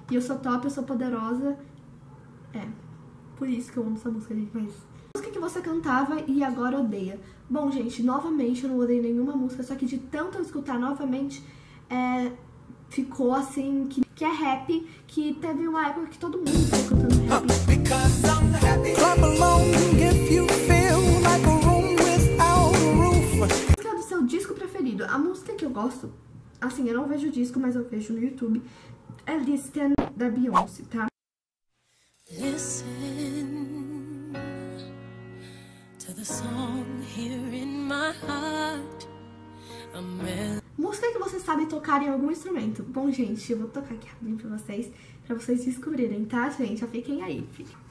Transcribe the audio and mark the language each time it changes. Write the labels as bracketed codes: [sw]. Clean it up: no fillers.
[pt] E eu sou top, eu sou poderosa. É, por isso que eu amo essa música, gente. Mas... Música que você cantava e agora odeia. Bom, gente, novamente, eu não odeio nenhuma música. Só que de tanto eu escutar novamente, é... ficou assim, que é rap, que teve uma época que todo mundo ficou cantando rap. [en] Because I'm happy. Clap along if you feel like a room without a roof. [pt] Qual é o seu disco preferido? A música que eu gosto, assim, eu não vejo o disco, mas eu vejo no YouTube, é Listen da Beyoncé, tá? [en] Listen to the song here in my heart. [pt] Música que você sabe tocar em algum instrumento. Bom, gente, eu vou tocar aqui rapidinho pra vocês, pra vocês descobrirem, tá, gente? Já fiquem aí, filho.